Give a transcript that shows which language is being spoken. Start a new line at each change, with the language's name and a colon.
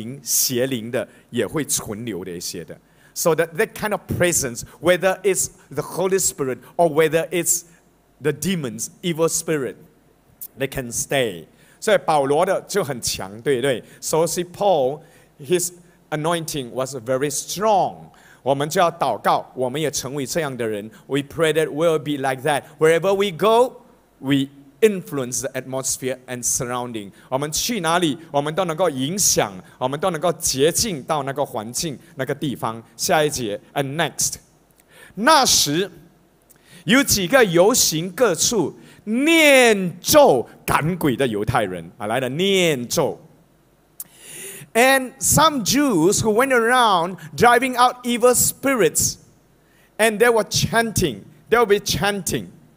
Chinese: 就是这样的概念，那个同在，管他是圣灵、邪灵的，也会存留的一些的。
English: So that kind of presence, whether it's the Holy Spirit or whether it's the demons, evil spirit, they can stay.
Chinese: 所以保罗的就很强，对不对？
English: So see Paul, His anointing was very strong.
Chinese: 我们就要祷告, 我们也成为这样的人.
English: We pray that we'll be like that. Wherever we go, we influence the atmosphere and surrounding.
Chinese: 我们去哪里, 我们都能够影响, 我们都能够洁净到那个环境, 那个地方. 下一节,
English: and next.
Chinese: 那时, 有几个游行各处, 念咒赶鬼的犹太人, 来了念咒。
English: And some Jews who went around driving out evil spirits, and they were chanting, they'll be chanting.